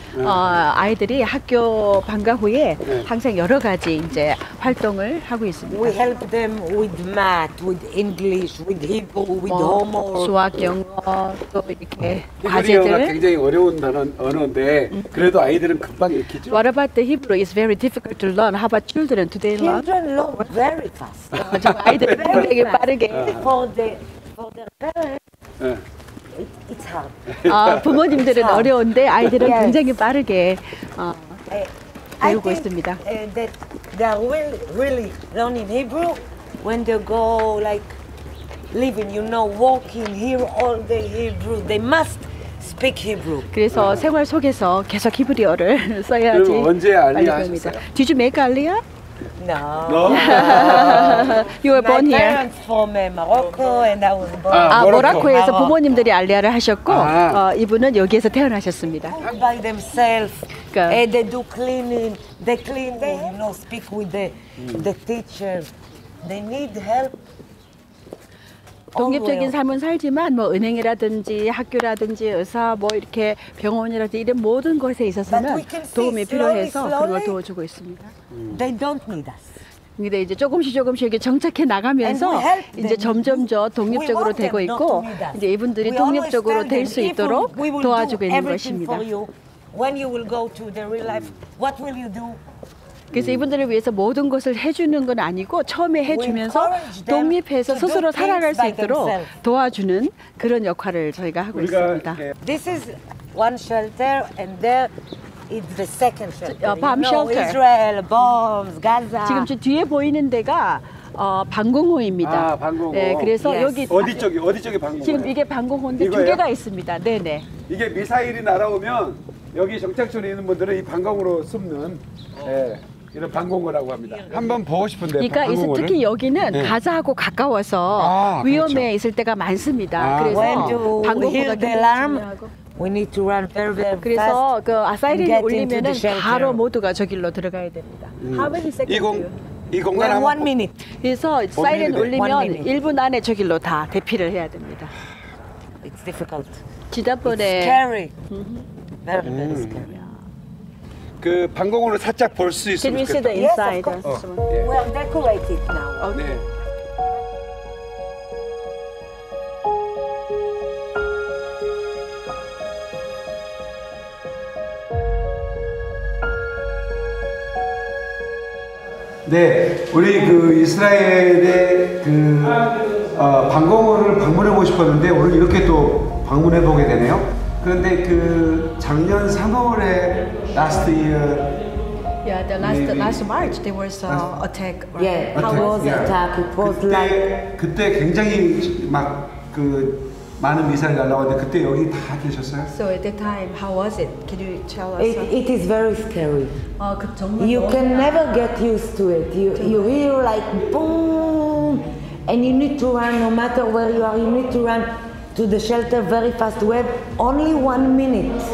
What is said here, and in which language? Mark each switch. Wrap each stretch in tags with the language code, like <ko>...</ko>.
<en>Children after school, always have various activities. We help them with math, with English, with Hebrew, with homework.</en> <ko>수학, 영어, 또 이렇게 과제들. 굉장히 어려운 언어인데 그래도 아이들은 금방 익히죠.</ko> <en>What about the Hebrew? It's very difficult to learn. How about children? Do they learn? Children learn very fast.</en> <ko>아이들 굉장히 빠르게.</ko> <en>For their parents. It's hard.</en> <ko>부모님들은</ko> <en>it's hard.</en> <ko>어려운데 아이들은 yes. 굉장히 빠르게 배우고</ko> <en>I</en> <ko>있습니다.</ko> <en>They are really learning Hebrew when they go like living, you know, walking here all day Hebrew. They must speak Hebrew.</en> <ko>그래서 생활 속에서 계속 히브리어를 써야지. 그럼 언제 알리아 하셨어요?</ko> <en>Did you make Aliyah? No. You were born here. My parents from Morocco, and I was born.</en> <ko>모로코에서 부모님들이 알리아를 하셨고, 이분은 여기에서 태어나셨습니다.</ko> <en>By themselves, and they do cleaning. They clean. They, you know, speak with the teacher. They need help.</en> <ko>독립적인 삶은 살지만 뭐 은행이라든지 학교라든지 의사 뭐 이렇게 병원이라든지 이런 모든 것에 있어서는 도움이 필요해서 그걸 도와주고 있습니다.</ko> <en>They don't need us.</en> <ko>근데 이제 조금씩 이렇게 정착해 나가면서 이제 점점 더 독립적으로 되고 있고 이제 이분들이 독립적으로 될 수 있도록 도와주고 있는 것입니다.</ko> <en>When you will go to the real life, what will you do?</en> <ko>그래서 이분들을 위해서 모든 것을 해주는 건 아니고 처음에 해주면서 독립해서 스스로 살아갈 수 있도록 도와주는 그런 역할을 저희가 하고 있습니다.</ko> <en>This is one shelter and there is the second shelter. Bomb shelter. Israel, bombs, Gaza.</en> <ko>지금 저 뒤에 보이는 데가 방공호입니다. 아, 방공호. 네, 그래서 yes. 여기 어디 쪽이 방공호? 지금 이게 방공호인데 이거예요? 두 개가 있습니다. 네네. 이게 미사일이 날아오면 여기 정착촌에 있는 분들은 이 방공호로 숨는. 네. 이런 방공호라고 합니다. 한번 보고 싶은데 그러니까 방공호를? 특히 여기는 네. 가자하고 가까워서 위험에 그렇죠. 있을 때가 많습니다. 아, 그래서 방공호가 굉장히 중요하고</ko> <en>we need to run very fast.</en> <ko>그래서 그 사이렌이 울리면 바로 모두가 저길로 들어가야 됩니다.</ko> <en>How many seconds?</en> <ko>이 공간</ko> <en>한 one minute.</en> <ko>그래서 사이렌 울리면 1분 안에 저길로 다 대피를 해야 됩니다.</ko> <en>It's difficult.</en> <ko>지난번에</ko> <en>It's scary. Mm-hmm. Very, very scary.</en> <ko>그 방공호를 살짝 볼 수 있으면 좋겠다.</ko> <en>Can you see the inside? Yes, of course. We are decorated now.</en> <ko>Okay. 네. 네, 우리 그 이스라엘의 그 방공호를 방문해보고 싶었는데 오늘 이렇게 또 방문해보게 되네요. 그런데 그 작년 3월에</ko> <en>last year yeah the last maybe. last March there was an attack right? yeah attack. how was yeah. attack it was</en> <ko>그때,</ko> <en>like</en> <ko>그때 굉장히 막 그 많은 미사일 날라왔는데 그때 여기 다 계셨어요?</ko> <en>So at that time how was it? Can you tell us? It is very scary.</en> <ko>아, 그 정말</ko> <en>you can never get used to it. You hear like boom and you need to run no matter where you are you need to run to the shelter very fast web only 1 minute.</en>